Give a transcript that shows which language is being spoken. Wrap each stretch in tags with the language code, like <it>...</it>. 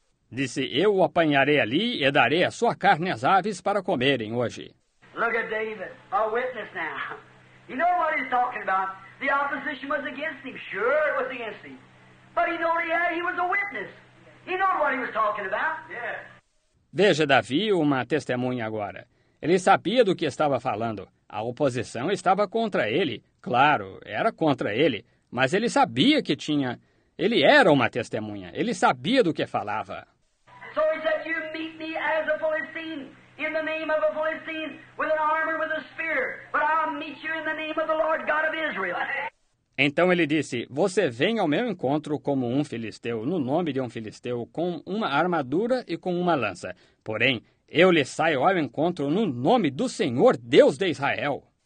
<pt>Disse, eu o apanharei ali e darei a sua carne às aves para comerem hoje.</pt> <en>Look at David, a witness now. You know what he's talking about? The opposition was against him. Sure, it was against him. But he was a witness. He knew what he was talking about. Yeah.</en> <pt>Veja, Davi, uma testemunha agora. Ele sabia do que estava falando. A oposição estava contra ele. Claro, era contra ele. Mas ele sabia que tinha... Ele era uma testemunha. Ele sabia do que falava.</pt> <en>So he said, you meet me as a Philistine. In the name of a Philistine, with an armor, with a spear. But I'll meet you in the name of the Lord God of Israel.</en> <pt>Então ele disse, você vem ao meu encontro como um filisteu, no nome de um filisteu, com uma armadura e com uma lança. Porém, eu lhe saio ao encontro no nome do Senhor Deus de Israel.</pt>